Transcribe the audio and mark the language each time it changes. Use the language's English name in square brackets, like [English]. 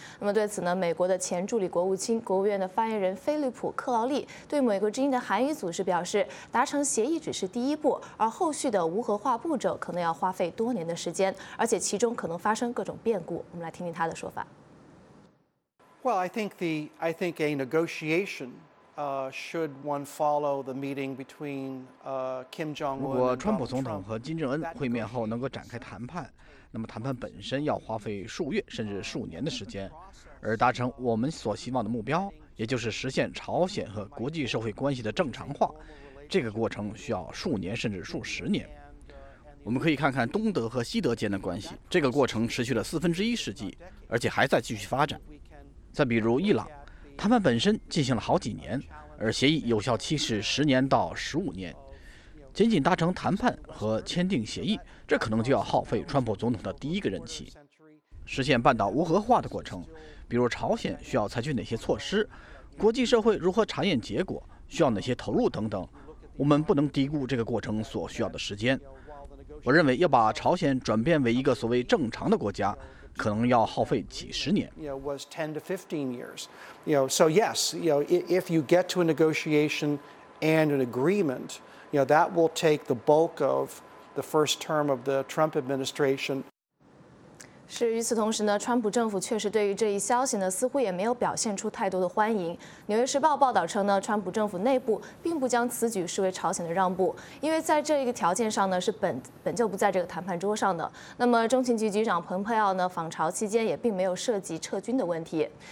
[Chinese] 那么对此呢，美国的前助理国务卿、国务院的发言人菲利普·克劳利对美国之音的韩语组是表示，达成协议只是第一步，而后续的无核化步骤可能要花费多年的时间，而且其中可能发生各种变故，我们来听听他的说法。 [English] Well, I think a negotiation should one follow the meeting between Kim Jong Un. [Chinese] 如果川普总统和金正恩会面后能够展开谈判，那么谈判本身要花费数月甚至数年的时间，而达成我们所希望的目标，也就是实现朝鲜和国际社会关系的正常化，这个过程需要数年甚至数十年。我们可以看看东德和西德间的关系，这个过程持续了1/4世纪，而且还在继续发展。再比如伊朗，谈判本身进行了好几年，而协议有效期是10年到15年，仅仅达成谈判和签订协议，这可能就要耗费川普总统的第一个任期。实现半岛无核化的过程，比如朝鲜需要采取哪些措施，国际社会如何查验结果，需要哪些投入等等，我们不能低估这个过程所需要的时间。我认为要把朝鲜转变为一个所谓正常的国家，可能要耗费几十年。 [English] You know, was 10 to 15 years. You know, so yes, you know, if you get to a negotiation and an agreement, you know, that will take the bulk of the first term of the Trump administration. [Chinese] 是，与此同时呢，川普政府确实对于这一消息呢，似乎也没有表现出太多的欢迎。 《纽约时报》报道称呢，川普政府内部并不将此举视为朝鲜的让步，因为在这一个条件上呢，是本就不在这个谈判桌上的。那么，中情局局长蓬佩奥呢，访朝期间也并没有涉及撤军的问题。